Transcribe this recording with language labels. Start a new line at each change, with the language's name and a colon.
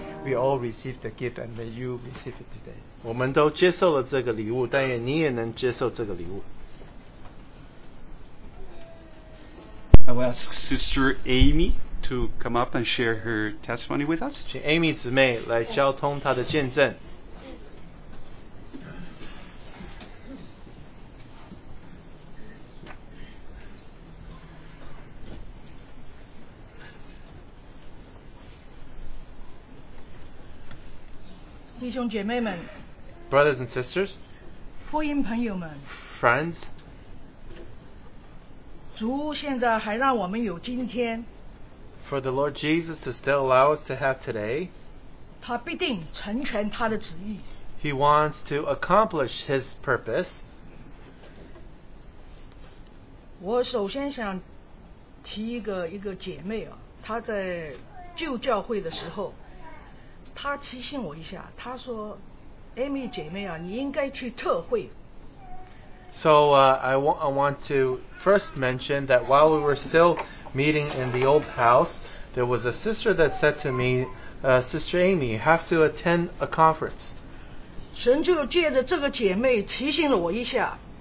English: We all received the gift and may you receive it today
Chinese: 我们都接受了这个礼物但愿你也能接受这个礼物
English: I will ask Sister Amy to come up and share her testimony with us
Chinese: 请 Amy 姊妹来交通她的见证弟兄姐妹们
English: Brothers and sisters
Chinese: 福音朋友们
English: Friends
Chinese: 主现在还让我们有今天
English: For the Lord Jesus to still allow us to have today
Chinese: 他必定成全他的旨意
English: He wants to accomplish his purpose
Chinese: 我首先想提一个姐妹啊她在旧教会的时候他提醒我一下他说 Amy 姐妹啊你应该去特会
English: So I want to first mention that while we were still meeting in the old house there was a sister that said to me Sister Amy you have to attend a conference
Chinese: 神就借着这个姐妹提醒了我一下